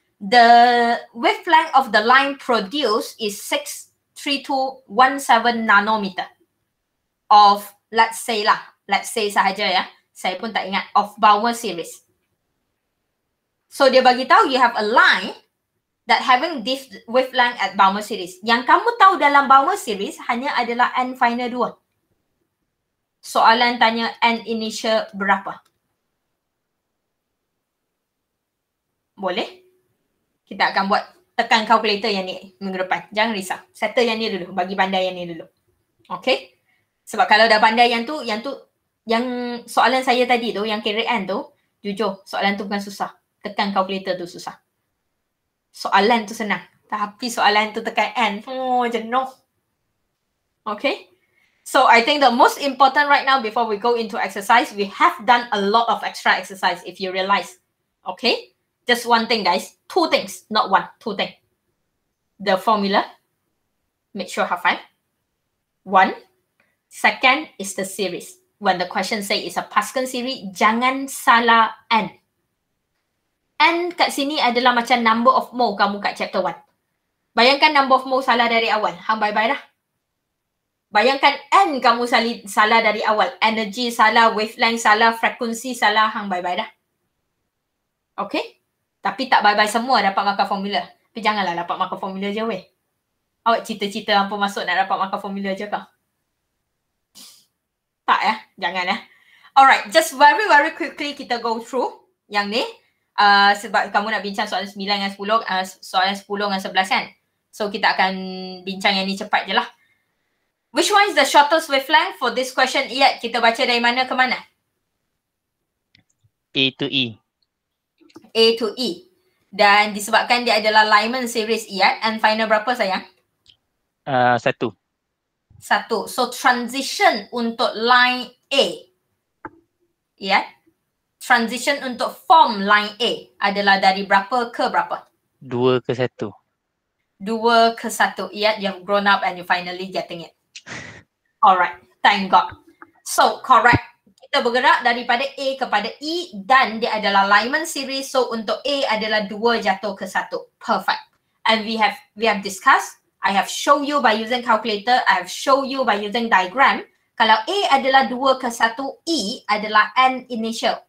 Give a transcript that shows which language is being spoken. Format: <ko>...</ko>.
<en>The wavelength of the line produced is 63217 nanometer.</en> <ms>Of, let's say lah. Let's say sahaja ya. Saya pun tak ingat.</ms> <en>Of Bohr series.</en> <ms>So dia bagi tahu</ms> <en>you have a line that having this wavelength at Bohr series.</en> <ms>Yang kamu tahu dalam Bohr series hanya adalah N final 2. Soalan tanya N initial berapa? Boleh? Kita akan buat tekan calculator yang ni minggu depan. Jangan risau. Settle yang ni dulu. Bagi pandai yang ni dulu. Okay? Sebab kalau dah pandai yang tu, yang tu, yang soalan saya tadi tu, yang kira N tu, jujur soalan tu bukan susah. Tekan calculator tu susah. Soalan tu senang. Tapi soalan tu tekan end. Oh, jenuh. Okay.</ms> <en>So I think the most important right now before we go into exercise, we have done a lot of extra exercise if you realize. Okay. Just one thing, guys. Two things. Not one. Two things. The formula. Make sure have five. One. Second is the series. When the question say it's a Pascal series,</en> <ms>jangan salah N. N kat sini adalah macam</ms> <en>number of mole</en> <ms>kamu kat chapter 1. Bayangkan number of mole salah dari awal. Hang bye-bye lah. Bayangkan N kamu salah dari awal. Energy salah, wavelength salah, frekuensi salah. Hang bye-bye dah. Okay? Tapi tak bye-bye semua dapat makan formula. Tapi janganlah dapat makan formula je weh. Awak cita-cita apa masuk nak dapat makan formula je kau? Tak ya? Jangan ya?</ms> <en>Alright, just very very quickly</en> <ms>kita</ms> <en>go through</en> <ms>yang ni. Sebab kamu nak bincang soalan 9 dengan 10, soalan 10 dengan 11 kan? So kita akan bincang yang ni cepat je lah.</ms> <en>Which one is the shortest wavelength for this question?</en> <ms>Iyad, kita baca dari mana ke mana?</ms> <en>A to E. A to E.</en> <ms>Dan disebabkan dia adalah Lyman series, Iyad. And final berapa sayang? Satu. Satu. So transition untuk line A. Iyad? Transition untuk form line A adalah dari berapa ke berapa? Dua ke satu. Dua ke satu.</ms> <en>Iyad, you've grown up and you finally getting it. Alright, thank God. So, correct.</en> <ms>Kita bergerak daripada A kepada E dan dia adalah Lyman series. So, untuk A adalah 2 jatuh ke 1.</ms> <en>Perfect. And we have discussed. I have show you by using calculator. I have show you by using diagram.</en> <ms>Kalau A adalah 2 ke 1, E adalah N initial.</ms>